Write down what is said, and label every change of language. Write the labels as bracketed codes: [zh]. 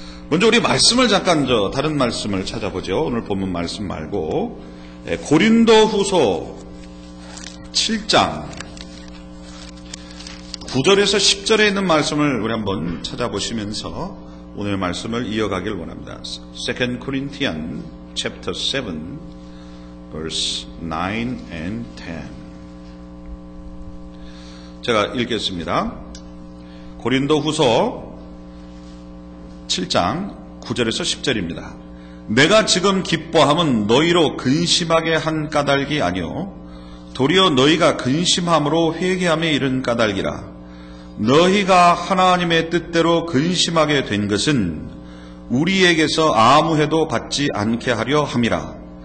[ko] 먼저 우리 말씀을 잠깐 저 다른 말씀을 찾아보죠. 오늘 본문 말씀 말고 고린도 후서 7장 9절에서 10절에 있는 말씀을 우리 한번 찾아보시면서 오늘 말씀을 이어가길 원합니다. [en] 2 Corinthians chapter 7 verse 9 and 10 [ko] 제가 읽겠습니다. 고린도 후서 7장 9절에서 10절입니다. 내가 지금 기뻐함은 너희로 근심하게 한 까닭이 아니오. 도리어 너희가 근심함으로 회개함에 이른 까닭이라. 너희가 하나님의 뜻대로 근심하게 된 것은 우리에게서 아무 해도 받지 않게 하려 함이라.